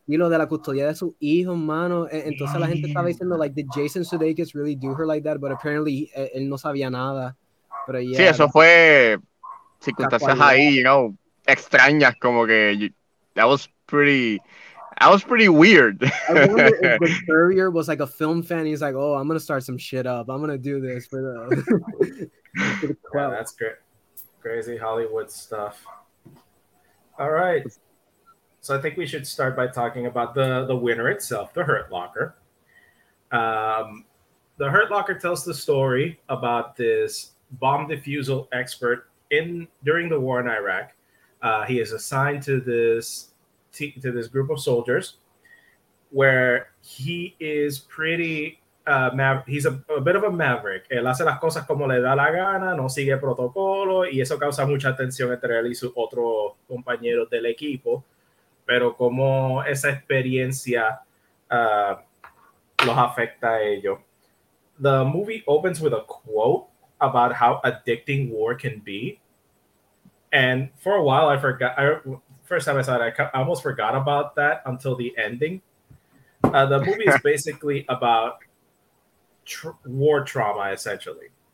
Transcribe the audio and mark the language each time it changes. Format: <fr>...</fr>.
<es>Y lo de la custodia de su hijo, mano.</es> <en>Entonces la gente estaba diciendo, like, did Jason Sudeikis really do her like that? But apparently,</en> <es>él no sabía nada.</es> <en>But, yeah,</en> <es>sí, eso fue circunstancias ahí,</es> <en>you know,</en> <es>extrañas, como que</es> <en>that was pretty weird. I wonder if the Courier was like a film fan. He's like, oh, I'm going to start some shit up. I'm going to do this for the... Yeah, that's great. Crazy Hollywood stuff. All right. So I think we should start by talking about the winner itself, the Hurt Locker. The Hurt Locker tells the story about this bomb defusal expert during the war in Iraq. He is assigned to this group of soldiers, where he is pretty he's a bit of a maverick.</en> <es>Él hace las cosas como le da la gana, no sigue protocolo, y eso causa mucha tensión entre él y sus otros compañeros del equipo. Pero cómo esa experiencia los afecta a ellos.</es> <en>The movie opens with a quote about how addicting war can be. And for a while, I almost forgot about that until the ending. The movie is basically about war trauma, essentially.</en>